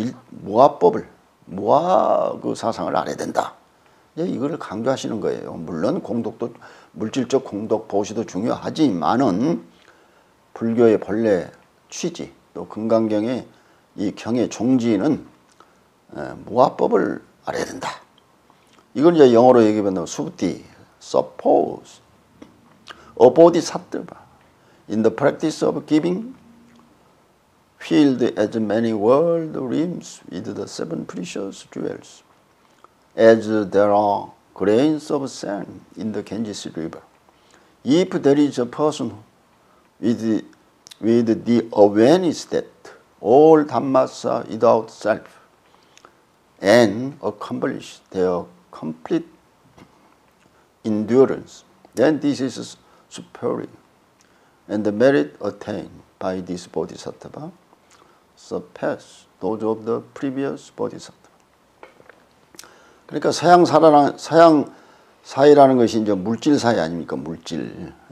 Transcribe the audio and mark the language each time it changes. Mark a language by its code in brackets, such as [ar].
[ko] 무아법을, 무아 그 사상을 알아야 된다. 이거를 강조하시는 거예요. 물론 공덕도, 물질적 공덕 보시도 중요하지만은, 불교의 본래 취지, 또 금강경의 이 경의 종지는, 무아법을 알아야 된다. 이걸 이제 영어로 얘기하면, [en] 수부티, suppose, a bodhisattva in the practice of giving, filled as many world rims with the seven precious jewels, as there are grains of sand in the Ganges River. If there is a person with the awareness that all dhammas are without self and accomplish their complete endurance, then this is superior, and the merit attained by this bodhisattva surpass those of the previous bodhisattva. [ko] 그러니까 사양 사이라는 것이 이제 물질 사이 아닙니까? 물질.